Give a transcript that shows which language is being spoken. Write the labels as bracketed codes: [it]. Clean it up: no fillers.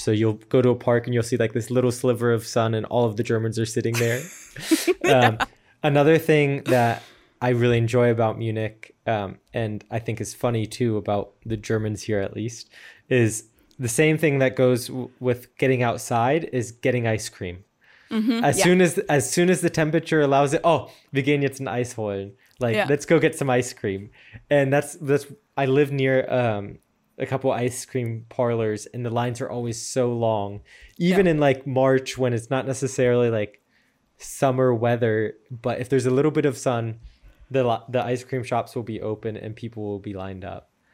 [en] So you'll go to a park and you'll see like this little sliver of sun and all of the Germans are sitting there. Another thing that I really enjoy about Munich, and I think is funny too about the Germans here at least, is the same thing that goes with getting outside is getting ice cream. As soon as the temperature allows it, [de] oh, wir gehen jetzt ein Eis holen. [en] Like, let's go get some ice cream. And that's I live near a couple ice cream parlors and the lines are always so long, even in like March when it's not necessarily like summer weather, but if there's a little bit of sun, the ice cream shops will be open and people will be lined up.